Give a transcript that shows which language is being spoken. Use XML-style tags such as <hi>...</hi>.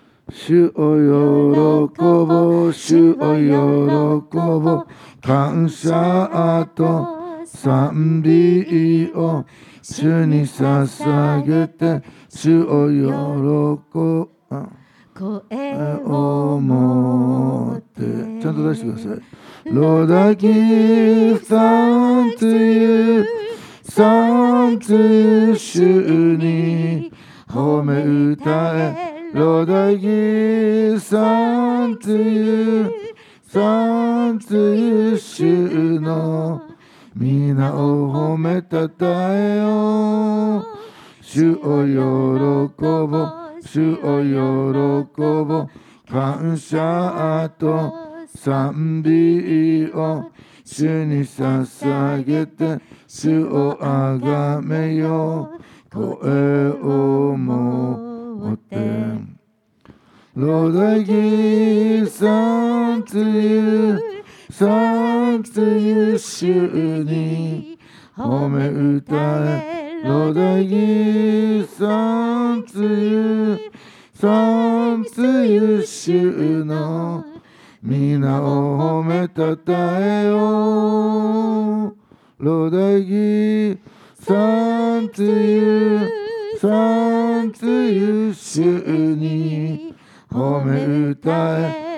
<ja>主を喜ぼう、主を喜ぼう、感謝と賛美を主に捧げて、主を喜ぶ声を持って、ちゃんと出してください。</ja> <en>Lord, I give thanks to you, thanks to you,</en> <ja>主に褒め歌え。</ja> <en>Lord, I give thanks to you, thanks to you,</en> <ja>主の皆を褒めたたえよう。主を喜ぼう、主を喜ぼう、感謝と賛美を主に捧げて、主をあがめよう、声を持って。</ja> <en>Lord, I give thanks to you. Thanks to you,</en> <ja>主に褒め歌え。</ja> <en>Lord, I give thanks to you, thanks to you,</en> <ja>主の皆を褒めたたえよう。</ja> <en>Lord, I give thanks to you, thanks to you,</en> <ja>主に褒め歌え。</ja>